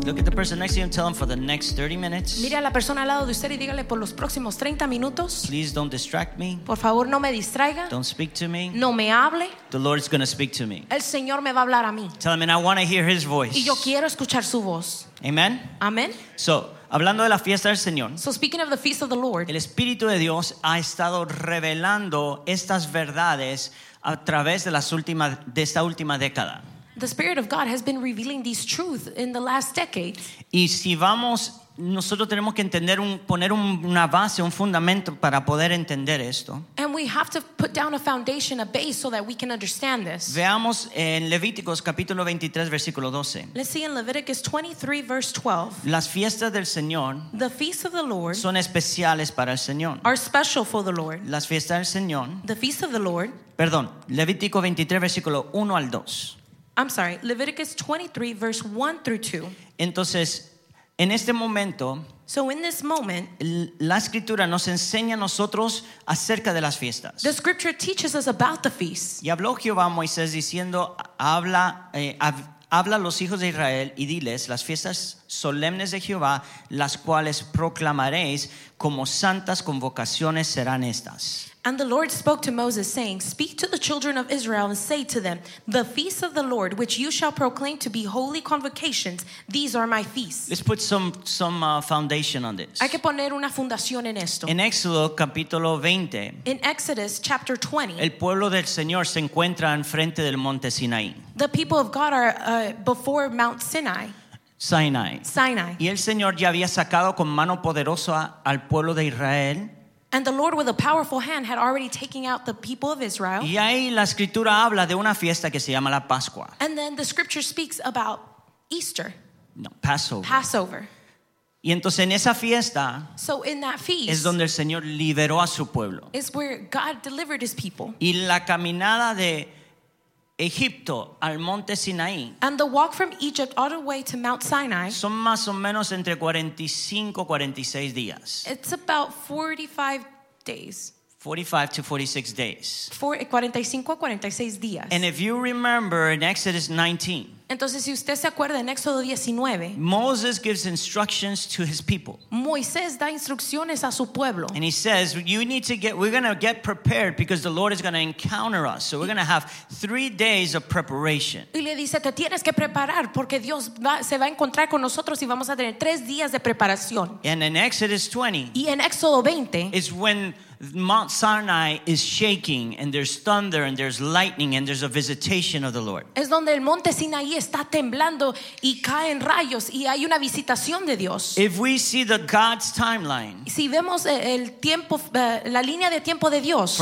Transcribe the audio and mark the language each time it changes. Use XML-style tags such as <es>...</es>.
<en>Look at the person next to you and tell them for the next 30 minutes.</en> <es>Mire a la persona al lado de usted y dígale por los próximos 30 minutos.</es> <en>Please don't distract me.</en> <es>Por favor, no me distraiga.</es> <en>Don't speak to me.</en> <es>No me hable.</es> <en>The Lord is going to speak to me.</en> <es>El Señor me va a hablar a mí.</es> <en>Tell him, and I want to hear his voice.</en> <es>Y yo quiero escuchar su voz. Amen. Amen. So, hablando de la fiesta del Señor.</es> <en>So speaking of the feast of the Lord.</en> <es>El Espíritu de Dios ha estado revelando estas verdades a través de las últimas de esta última década.</es> <en>The Spirit of God has been revealing these truths in the last decade.</en> <es>Y si vamos, nosotros tenemos que entender un, poner un, una base, un fundamento para poder entender esto.</es> <en>And we have to put down a foundation, a base, so that we can understand this.</en> <es>Veamos en Levíticos capítulo 23, versículo 12.</es> <en>Let's see in Leviticus 23, verse 12.</en> <es>Las fiestas del Señor,</es> <en>the feasts of the Lord,</en> <es>son especiales para el Señor.</es> <en>Are special for the Lord.</en> <es>Las fiestas del Señor,</es> <en>the feasts of the Lord,</en> <es>perdón, Levítico 23, versículo 1 al 2.</es> <en>I'm sorry, Leviticus 23, verse 1 through 2.</en> <es>Entonces, en este momento,</es> <en>so in this moment,</en> <es>la escritura nos enseña a nosotros acerca de las fiestas.</es> <en>The scripture teaches us about the feasts.</en> <es>Y habló Jehová a Moisés diciendo, habla a los hijos de Israel y diles, las fiestas solemnes de Jehová, las cuales proclamaréis como santas convocaciones serán estas.</es> <en>And the Lord spoke to Moses, saying, speak to the children of Israel and say to them, the feasts of the Lord, which you shall proclaim to be holy convocations, these are my feasts. Let's put some foundation on this.</en> <es>Hay que poner una fundación en esto. En Éxodo, capítulo 20.</es> <en>In Exodus, chapter 20.</en> <es>El pueblo del Señor se encuentra enfrente del monte Sinaí.</es> <en>The people of God are before Mount Sinai. Sinai. Sinai.</en> <es>Y el Señor ya había sacado con mano poderosa al pueblo de Israel.</es> <en>And the Lord with a powerful hand had already taken out the people of Israel.</en> <es>Y ahí la escritura habla de una fiesta que se llama la Pascua.</es> <en>And then the scripture speaks about Easter. No, Passover. Passover.</en> <es>Y entonces en esa fiesta,</es> <en>so in that feast,</en> <es>es donde el Señor liberó a su pueblo.</es> <en>Is where God delivered his people.</en> <es>Y la caminada de Egipto al monte Sinaí.</es> <en>And the walk from Egypt all the way to Mount Sinai.</en> <es>Son más o menos entre 45 y 46 días.</es> <en>It's about 45 days. 45 to 46 days.</en> <es>45 a 46 días.</es> <en>And if you remember in Exodus 19.</en> <es>Entonces si usted se acuerda en Éxodo 19.</es> <en>Moses gives instructions to his people.</en> <es>Moisés da instrucciones a su pueblo.</es> <en>And he says, we're going to get prepared because the Lord is going to encounter us. So we're going to have 3 days of preparation.</en> <es>Y le dice, te tienes que preparar porque Dios se va a encontrar con nosotros y vamos a tener 3 días de preparación.</es> <en>And in Exodus 20.</en> <es>Y en Éxodo 20.</es> <en>Is when Mount Sinai is shaking and there's thunder and there's lightning and there's a visitation of the Lord.</en> <es>Es donde el monte Sinaí está temblando y caen rayos y hay una visitación de Dios.</es> <en>If we see the God's timeline.</en> <es>Si vemos el tiempo la línea de tiempo de Dios.</es>